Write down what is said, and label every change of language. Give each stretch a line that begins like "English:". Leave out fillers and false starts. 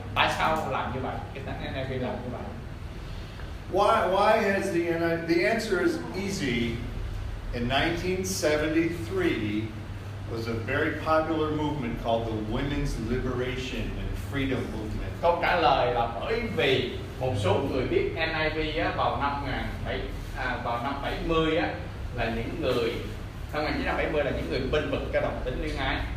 Vietnamese: Tại sao làm như vậy? Cái thằng NIV làm như vậy.
English: Why has the NIV? The answer is easy. In 1973, was a very popular movement called the Women's Liberation and Freedom Movement.
Vietnamese: Câu trả lời là bởi vì một số người biết NIV á, vào năm 1970 á, vào năm 70 á, là những người năm 1970 là những người bênh vực cái đồng tính liên ái.